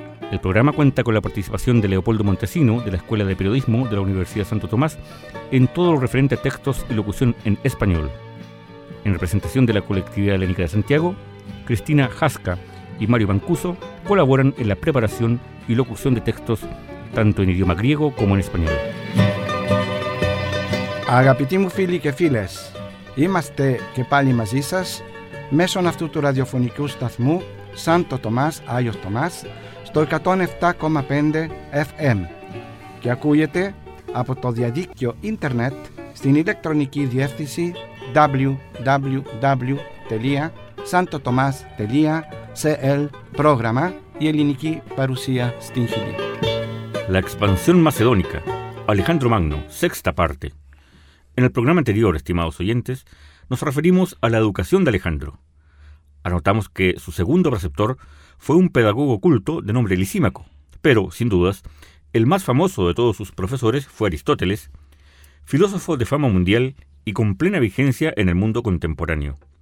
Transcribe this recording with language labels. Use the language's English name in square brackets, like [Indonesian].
[Spanish] El programa cuenta con la participación de Leopoldo Montesino, de la Escuela de Periodismo de la Universidad Santo Tomás, en todo lo referente a textos y locución en español. En representación de la Colectividad Helénica de Santiago, Cristina Jasca y Mario Mancuso colaboran en la preparación y locución de textos, tanto en idioma griego como en español. [Greek] Αγαπητοί φίλοι και φίλες, είμαστε και πάλι μαζί σας μέσω αυτού του ραδιοφωνικού σταθμού Σάντο Τομάς, Άγιος Τομάς, στο 107,5 FM και ακούγεται από το διαδίκτυο ίντερνετ στην ηλεκτρονική διεύθυνση www.santotomas.cl πρόγραμμα η ελληνική παρουσία στην Χιλή. [Spanish] La expansión macedónica, Alejandro Magno, sexta parte. En el programa anterior, estimados oyentes, nos referimos a la educación de Alejandro. Anotamos que su segundo preceptor fue un pedagogo culto de nombre Lisímaco, pero, sin dudas, el más famoso de todos sus profesores fue Aristóteles, filósofo de fama mundial y con plena vigencia en el mundo contemporáneo.